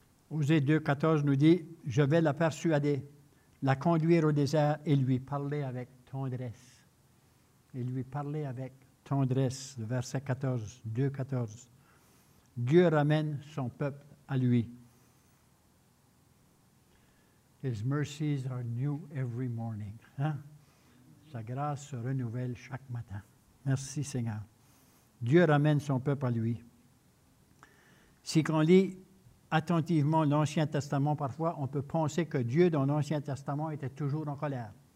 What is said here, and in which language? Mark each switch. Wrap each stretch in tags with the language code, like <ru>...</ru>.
<fr>Osée 2, 14 nous dit, « Je vais la persuader, la conduire au désert et lui parler avec tendresse. » Et lui parler avec tendresse, le verset 14, 2, 14. Dieu ramène son peuple à lui.</fr> <en>His mercies are new every morning.</en> <fr>Hein? Sa grâce se renouvelle chaque matin. Merci Seigneur. Dieu ramène son peuple à lui. Si on lit attentivement l'Ancien Testament, parfois on peut penser que Dieu dans l'Ancien Testament était toujours en colère.</fr>